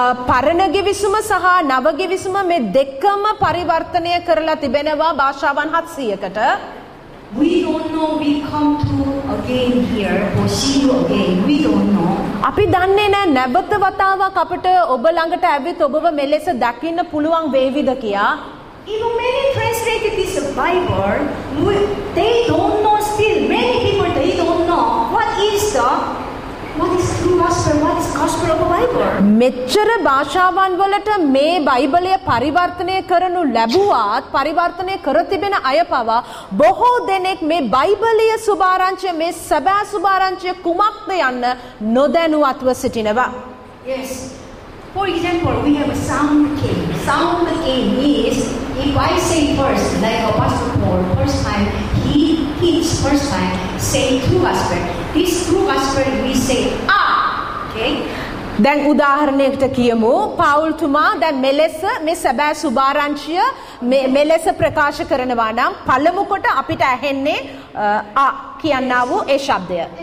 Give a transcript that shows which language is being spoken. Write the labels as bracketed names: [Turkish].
[Sinhala] පරණ ගිවිසුම සහ නව ගිවිසුම මේ දෙකම පරිවර්තනය කරලා තිබෙනවා භාෂාවන් 700කට. [English] We don't know we come to again here or see you again. We don't know. [Sinhala] අපි දන්නේ නැහැ නැවත වතාවක් අපිට ඔබ ළඟට ඇවිත් ඔබව මෙලෙස දකින්න පුළුවන් වේවිද කියා. [English] Even many translated this Bible, they don't know still. Many people, they don't know what is true gospel, what is gospel of the Bible. [Sinhala] මෙච්චර භාෂාවන් වලට මේ බයිබලය පරිවර්තනය කරනු ලැබුවාත් පරිවර්තනය කර තිබෙන අය පවා බොහෝ දෙනෙක් මේ බයිබලය සුභාරංචිය මේ සැබෑ සුභාරංචිය කුමක්ද යන්න නොදැනුවත්ව සිටිනවා. [English] Yes. For example, we have a sound cave. Sound cave is, if I say first, like Apostle Paul, first time, he teach first time, say true gospel. This true gospel, we say, ah, okay? [Sinhala] දැන් උදාහරණයකට කියමු Paul තුමා දැන් මෙලෙස මේ සැබෑ සුභාරංචිය මෙලෙස ප්‍රකාශ කරනවා නම් පළමු කොට අපිට ඇහෙන්නේ ආ කියනවා වූ ඒ શબ્දය.